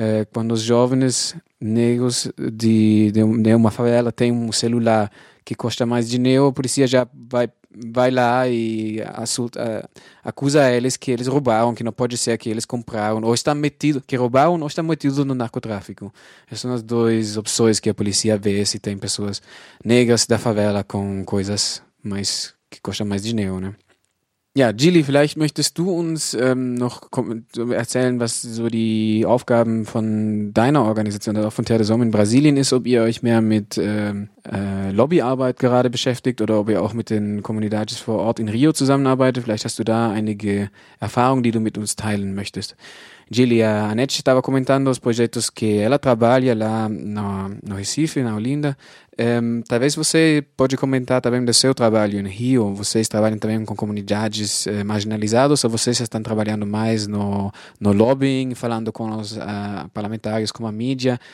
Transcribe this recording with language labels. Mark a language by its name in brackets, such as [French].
[Portuguese] Quando os jovens negros de uma favela têm um celular que custa mais dinheiro, a polícia já vai lá e acusa eles que eles roubaram, que não pode ser que eles compraram, ou estão metidos, que roubaram ou estão metidos no narcotráfico. Essas são as duas opções que a polícia vê se tem pessoas negras da favela com coisas mais, que custam mais dinheiro, né? [German] Ja, Gili, vielleicht möchtest du uns noch erzählen, was so die Aufgaben von deiner Organisation, also auch von Terre des Hommes in Brasilien ist, ob ihr euch mehr mit Lobbyarbeit gerade beschäftigt oder ob ihr auch mit den Comunidades vor Ort in Rio zusammenarbeitet. Vielleicht hast du da einige Erfahrungen, die du mit uns teilen möchtest. [Portuguese] Gili, a Anette estava comentando os projetos que ela trabalha lá no Recife, na Olinda. Talvez você pode comentar também do seu trabalho em Rio. Vocês trabalham também com comunidades marginalizadas, ou vocês estão trabalhando mais no lobbying, falando com os parlamentares, com a mídia?